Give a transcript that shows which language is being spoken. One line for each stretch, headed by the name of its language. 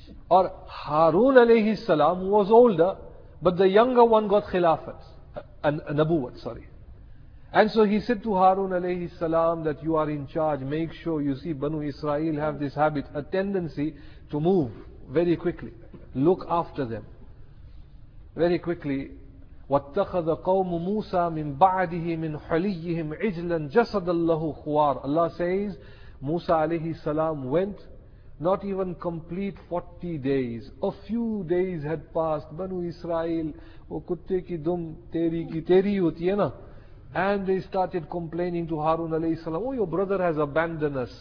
English: Or Harun alayhi salam was older, but the younger one got khilafat and nabuwat, sorry. And so he said to Harun alayhi salam that you are in charge, make sure. You see, Banu Israel have this habit, a tendency to move very quickly. Look after them very quickly.
Arabic: واتخذ قوم موسى من بعده من حليهم عجلا جسد الله خوار.
English: Allah says Musa alayhi salam went, not even complete 40 days. A few days had passed.
Urdu: Banu Israel, wo kutte ki dum teri ki teri hoti hai na.
English: And they started complaining to Harun alayhi salam, oh, your brother has abandoned us.